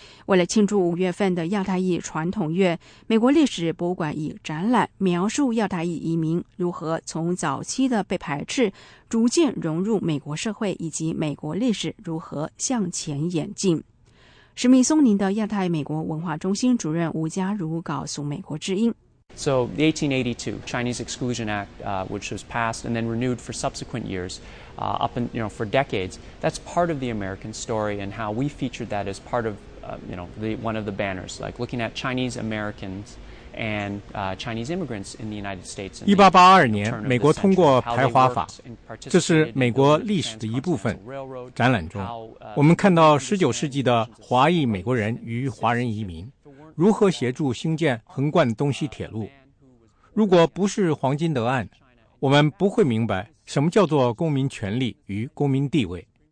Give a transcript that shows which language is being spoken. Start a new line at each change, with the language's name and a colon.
Chinese: 为了庆祝五月份的亚太裔传统月，美国历史博物馆以展览描述亚太裔移民如何从早期的被排斥逐渐融入美国社会，以及美国历史如何向前演进。史密松林的亚太美国文化中心主任吴家如告诉美国之音。
English: So the 1882 Chinese Exclusion Act, which was passed and then renewed for subsequent years, for decades, that's part of the American story and how we featured that as part of, one of the banners, like looking at Chinese Americans and Chinese immigrants in the United States.
Chinese: 1882年，美国通过排华法，这是美国历史的一部分。展览中，我们看到19世纪的华裔美国人与华人移民。如何协助兴建横贯东西铁路？如果不是黄金德案，我们不会明白什么叫做公民权利与公民地位。